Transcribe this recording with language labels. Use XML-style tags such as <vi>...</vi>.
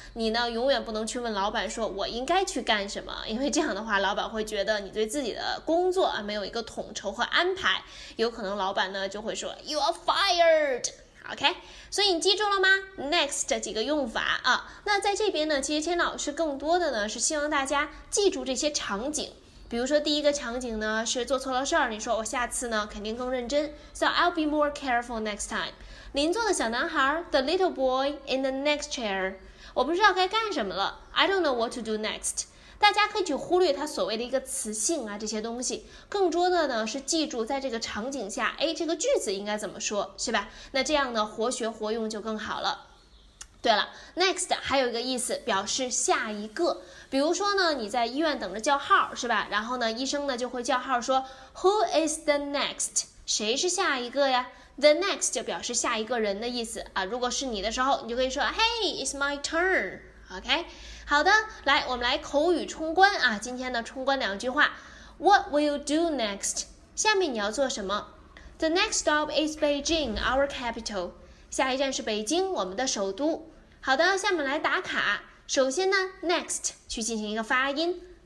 <zh>你呢永远不能去问老板说我应该去干什么，因为这样的话老板会觉得你对自己的工作啊没有一个统筹和安排，有可能老板呢就会说</zh> <en>You are fired!</en> <zh>OK, 所以你记住了吗 ?next 这几个用法啊。那在这边呢其实天老师更多的呢是希望大家记住这些场景。比如说第一个场景呢是做错了事儿，你说我下次呢肯定更认真 ,</zh> <en>So I'll be more careful next time.</en> <zh>邻座的小男孩</zh> <en>,The little boy in the next chair.</en> <zh>我不知道该干什么了</zh> <en>,I don't know what to do next.</en> <zh>大家可以去忽略他所谓的一个词性啊这些东西，更多的呢是记住在这个场景下，哎，这个句子应该怎么说，是吧？那这样呢活学活用就更好了。对了 ,next 还有一个意思表示下一个。比如说呢你在医院等着叫号，是吧？然后呢医生呢就会叫号说 ,</zh> <en>Who is the next?</en> <zh>谁是下一个呀 ?The next 就表示下一个人的意思啊，如果是你的时候你就可以说 ,</zh> <en>Hey, it's my turn, OK?</en> <zh>好的，来我们来口语冲关啊，今天呢冲关两句话。</zh> <en>What will you do next?</en> <zh>下面你要做什么</zh> <en>?The next stop is Beijing, our capital.</en> <zh>下一站是北京，我们的首都。好的，下面来打卡。首先呢 ,next, 去进行一个发音。</zh>